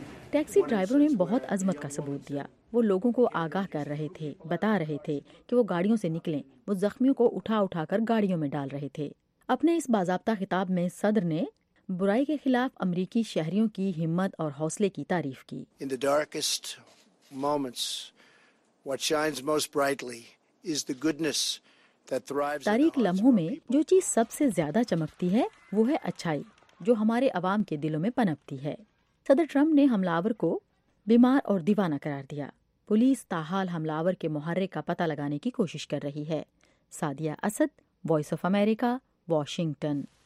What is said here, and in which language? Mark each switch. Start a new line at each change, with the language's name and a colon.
Urdu: Taxi ڈرائیوروں نے بہت عظمت کا ثبوت دیا۔ وہ لوگوں کو آگاہ کر رہے تھے، بتا رہے تھے کہ وہ گاڑیوں سے نکلیں۔ وہ زخمیوں کو اٹھا اٹھا کر گاڑیوں میں ڈال رہے تھے۔ اپنے اس باضابطہ خطاب میں صدر نے برائی کے خلاف امریکی شہریوں کی ہمت اور حوصلے کی تعریف کی۔
English: In the darkest moments, what shines most brightly is the goodness that thrives.
Urdu: تاریک لمحوں میں جو چیز سب سے زیادہ چمکتی ہے وہ ہے اچھائی، جو ہمارے عوام کے دلوں میں پنپتی ہے۔ صدر ٹرمپ نے حملہ آور کو بیمار اور دیوانہ قرار دیا۔ پولیس تاحال حملہ آور کے محرک کا پتہ لگانے کی کوشش کر رہی ہے۔ Sadia Asad, voice of America, Washington.